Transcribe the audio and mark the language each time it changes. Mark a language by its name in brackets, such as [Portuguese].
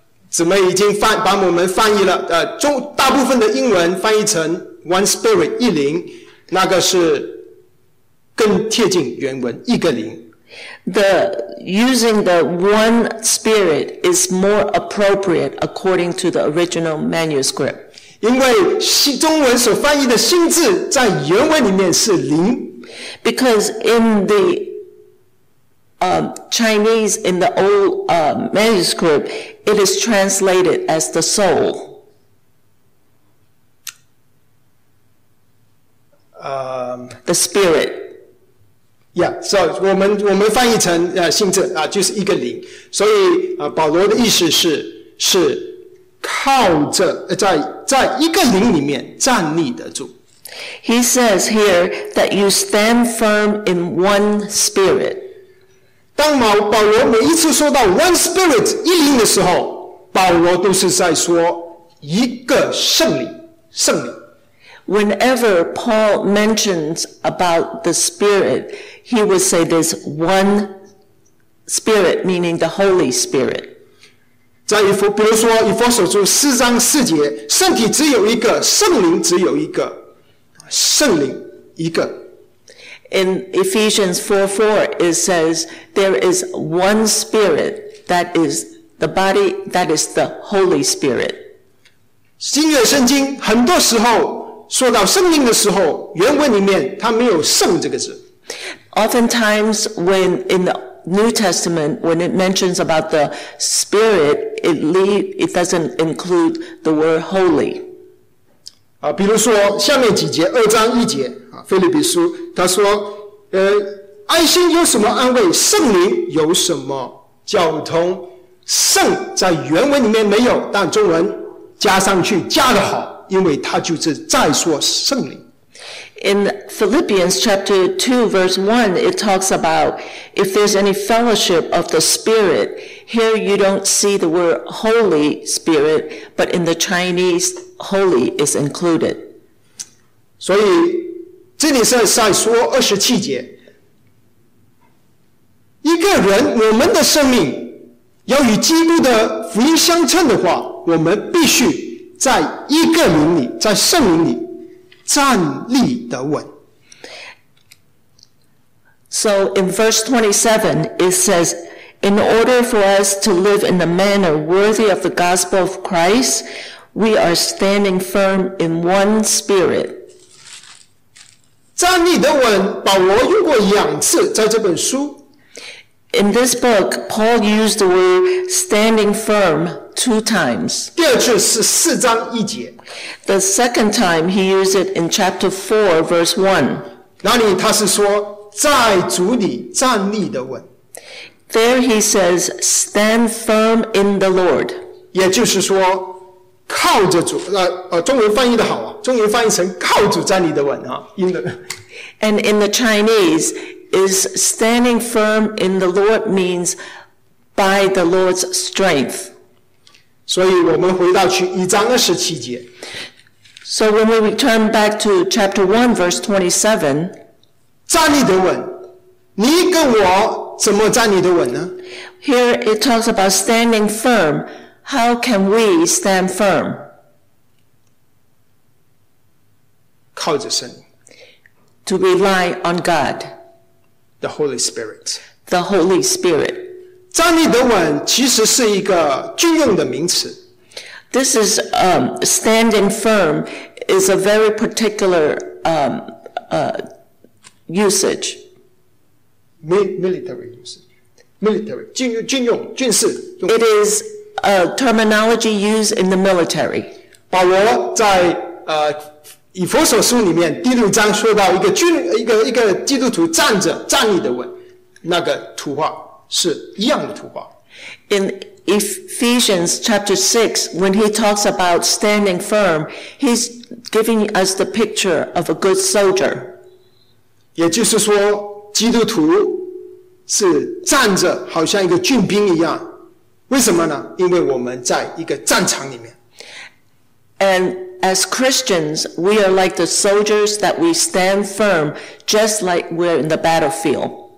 [Chinese] 姊妹已经把我们翻译了，大部分的英文翻译成 one spirit, 一灵。那个是更贴近原文，一个灵。 [English] The using the one spirit is more appropriate according to the original manuscript. [Chinese] 因为中文所翻译的心字在原文里面是灵。 [English] Because in the Chinese, in the old manuscript, it is translated as the soul. The spirit. Yeah, so [Chinese] 我们翻译成心智啊，就是一个灵。所以保罗的意思是靠着在一个灵里面站立得住。 [English] He says here that you stand firm in one spirit. [Chinese] 当保罗每一次说到 one spirit 一灵的时候，保罗都是在说一个圣灵，圣灵。 [English] Whenever Paul mentions about the Spirit, he would say this one Spirit, meaning the Holy Spirit. [Chinese] 在以弗，比如说以弗所书四章四节，圣体只有一个，圣灵只有一个，圣灵一个。 [English] In Ephesians 4:4, it says there is one Spirit that is the body, that is the Holy Spirit. [Chinese] 新约圣经很多时候。说到圣灵的时候，原文里面它没有圣这个字。 [English] Oftentimes, when in the New Testament, when it mentions about the Spirit, it doesn't include the word holy. [Chinese] 啊，比如说下面几节，二章一节，腓立比书，他说，爱心有什么安慰？圣灵有什么交通？圣在原文里面没有，但中文加上去加得好。因为他就是在说圣灵。 [English] In Philippians chapter 2 verse 1, it talks about if there's any fellowship of the Spirit, here you don't see the word Holy Spirit, but in the Chinese, Holy is included. [Chinese] 所以这里是在说27节。一个人，我们的生命要与基督的福音相称的话，我们必须在一个灵里，在圣灵里站立得稳。 [English] So in verse 27, it says, In order for us to live in a manner worthy of the gospel of Christ, we are standing firm in one spirit. [Chinese] 站立得稳，保罗用过两次在这本书。 [English] In this book, Paul used the word standing firm two times. [Chinese] 第二句是四章一节。 [English] The second time he used it in chapter 4, verse 1. [Chinese] 那里他是说在主里站立的稳。 [English] There he says, stand firm in the Lord. [Chinese] 也就是说靠着主，中文翻译的好，中文翻译成靠主站立的稳。 [English] And in the Chinese,Is standing firm in the Lord means by the Lord's strength. [Chinese] 所以我们回到去一章二十七节。 [English] So when we return back to chapter 1, verse 27, [Chinese] 站立得稳，你跟我怎么站立得稳呢？ [English] Here it talks about standing firm. How can we stand firm? [Chinese] 靠着神。 [English] To rely on God. The Holy Spirit. The Holy Spirit. [Chinese] 站立得稳其实是一个军用的名词。 [English] This is, standing firm is a very particular, usage. Military usage. Military. [Chinese] 军用军事。 [English] It is a terminology used in the military. [Chinese] 保罗在以弗所书里面第六章说到一个基督徒站着站立的稳，那个图画是一样的图画。 [English] In Ephesians chapter 6, when he talks about standing firm, he's giving us the picture of a good soldier. [Chinese] 也就是说，基督徒是站着，好像一个军兵一样。为什么呢？因为我们在一个战场里面。 [English] And As Christians, we are like the soldiers that we stand firm, just like we're in the battlefield.